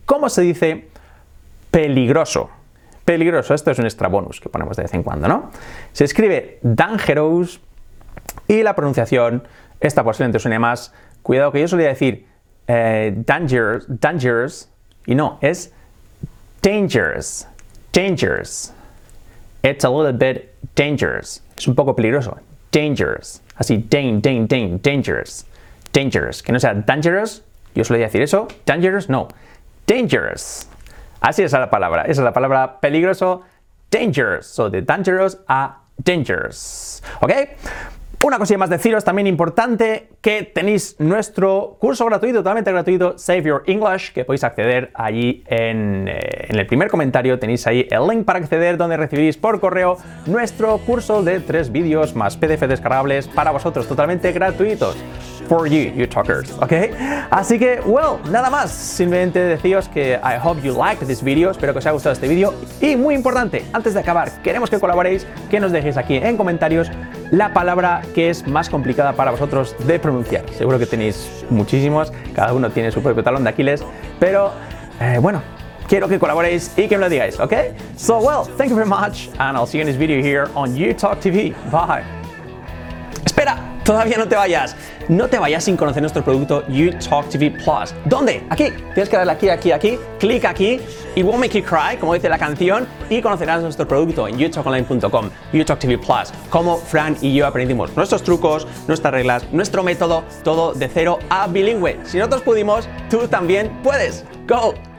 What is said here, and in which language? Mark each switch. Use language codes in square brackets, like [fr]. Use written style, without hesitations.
[es] ¿Cómo se dice peligroso? Peligroso, esto es un extra bonus que ponemos de vez en cuando, ¿no? Se escribe dangerous y la pronunciación, esta posiblemente suene más. Cuidado que yo solía decir dangerous y no, es dangerous, dangerous. [en] It's a little bit dangerous. [es] Es un poco peligroso. Dangerous. Así, dangerous. Dangerous. Que no sea dangerous. Yo solía decir eso. Dangerous, no. Dangerous. Así es la palabra. Esa es la palabra peligroso. Dangerous. So, de dangerous a dangerous. ¿Ok? Una cosilla más deciros, también importante, que tenéis nuestro curso gratuito, totalmente gratuito, Save Your English, que podéis acceder allí en el primer comentario. Tenéis ahí el link para acceder, donde recibiréis por correo nuestro curso de 3 vídeos más PDF descargables para vosotros, totalmente gratuitos. [en] For you, you talkers, [es] ¿ok? Así que, well, nada más. Simplemente deciros que [en] I hope you liked this video. [es] Espero que os haya gustado este vídeo. Y muy importante, antes de acabar, queremos que colaboréis, que nos dejéis aquí en comentarios la palabra que es más complicada para vosotros de pronunciar. Seguro que tenéis muchísimos, cada uno tiene su propio talón de Aquiles, pero bueno, quiero que colaboréis y que me lo digáis, ¿ok? [en] So, well, thank you very much, and I'll see you in this video here on UTalk TV. [es] Bye. ¡Espera! Todavía no te vayas. No te vayas sin conocer nuestro producto UTalk TV Plus. ¿Dónde? Aquí. Tienes que darle aquí, aquí, aquí. Clic aquí. [en] It won't make you cry, [es] como dice la canción. Y conocerás nuestro producto en utalkonline.com, UTalk TV Plus. Cómo Fran y yo aprendimos nuestros trucos, nuestras reglas, nuestro método, todo de cero a bilingüe. Si nosotros pudimos, tú también puedes. Go,